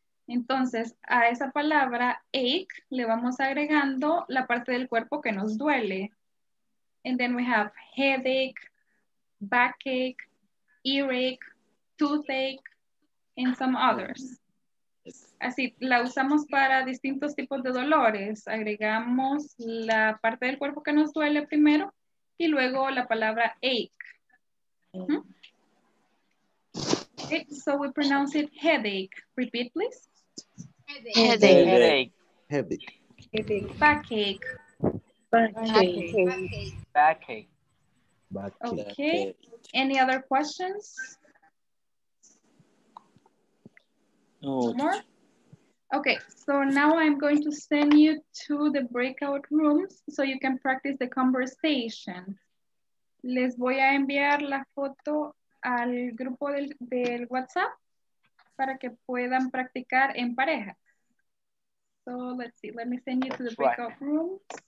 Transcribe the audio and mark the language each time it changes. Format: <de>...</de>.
<es>Entonces, a esa palabra ache, le vamos agregando la parte del cuerpo que nos duele.</es> <en>And then we have headache, backache, earache, toothache, and some others.</en> <es>Así, la usamos para distintos tipos de dolores. Agregamos la parte del cuerpo que nos duele primero y luego la palabra ache.</es> <en>Okay, so we pronounce it headache. Repeat, please. Headache. Headache. Headache. Headache. Backache. Backache. Backache. Okay, any other questions? No. More? Okay, so now I'm going to send you to the breakout rooms so you can practice the conversation.</en> <es>Les voy a enviar la foto al grupo del WhatsApp para que puedan practicar en pareja.</es> <en>So let's see, let me send you to the breakout rooms.</en>